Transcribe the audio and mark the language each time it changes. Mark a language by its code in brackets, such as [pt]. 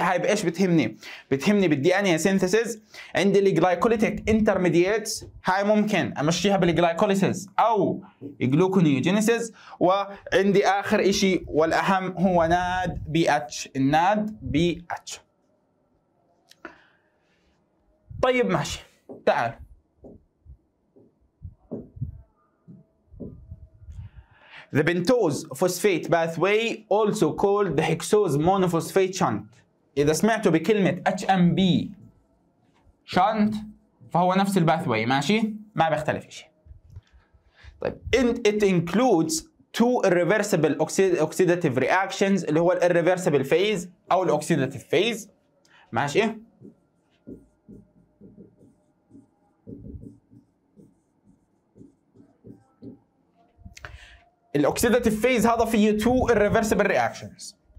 [ar] هاي بايش بتهمني؟ بتهمني بالدي ان اي سينثيسز. عندي الجلايكوليتيك انترميدييتس، هاي ممكن امشيها بالجلايكوليسيس او الجلوكونيوجينيسيس. وعندي اخر اشي والاهم هو ناد بي اتش، الناد بي اتش. طيب ماشي، تعال [en] The pentose phosphate pathway also called the hexose monophosphate shunt. [ar] إذا سمعتوا بكلمة HMB shunt فهو نفس الباثوي، ماشي؟ ما بيختلف شيء. طيب [en] And it includes two irreversible oxidative reactions [ar] اللي هو ال [en] irreversible phase [ar] أو ال [en] oxidative phase، [ar] ماشي؟ الاكسيداتيف فيز هذا فيه 2 [en] irreversible reactions.